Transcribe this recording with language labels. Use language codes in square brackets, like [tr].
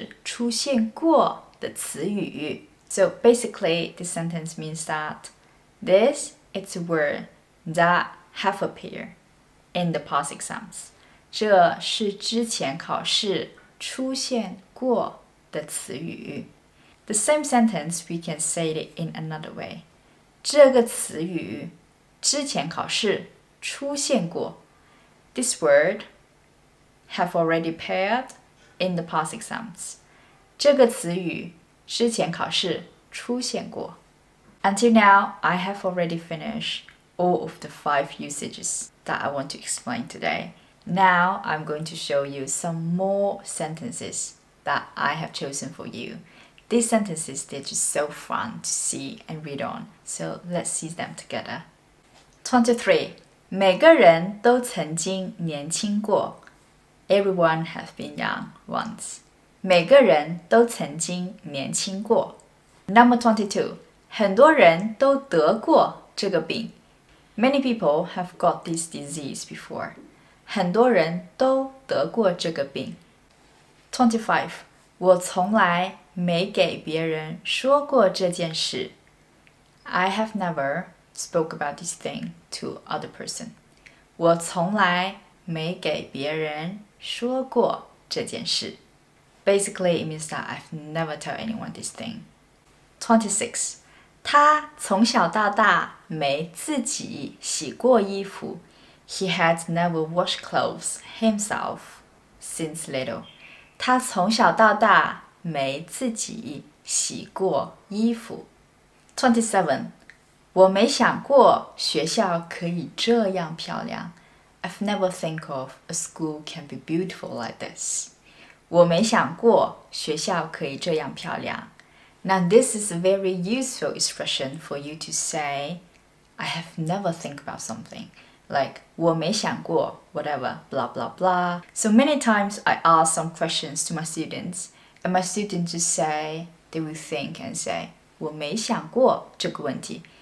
[zh] 这是之前考试出现过的词语. [en] So basically, this sentence means that this is a word that have appeared in the past exams. [zh] 这是之前考试出现过的词语. [en] The same sentence, we can say it in another way. [zh] 这个词语之前考试出现过. [en] This word have already appeared in the past exams. [zh] 这个词语之前考试出现过。 [en] Until now, I have already finished all of the 5 usages that I want to explain today. Now, I'm going to show you some more sentences that I have chosen for you. These sentences, they're just so fun to see and read on. So, let's see them together. 23. [zh] 每个人都曾经年轻过。 [en] Everyone has been young once. [zh] 每个人都曾经年轻过。 [en] Number 22. [zh] 很多人都得过这个病。 [en] Many people have got this disease before. [zh] 很多人都得过这个病。 25. 我从来没给别人说过这件事。 [en] I have never spoke about this thing to other person. [zh] 我从来没给别人说过这件事。 [en] Basically, it means that I've never told anyone this thing. 26. [zh] 他从小到大没自己洗过衣服。 [en] He had never washed clothes himself since little. [zh] 他从小到大没自己洗过衣服。 [en] 27. [zh] 我没想过学校可以这样漂亮。 [en] I've never think of a school can be beautiful like this. [zh] 我没想过学校可以这样漂亮。 [en] Now this is a very useful expression for you to say, I have never think about something. Like, [zh] 我没想过 [en] whatever, blah blah blah. So many times I ask some questions to my students,And my students just say, they will think and say, [zh] 我没想过这个问题。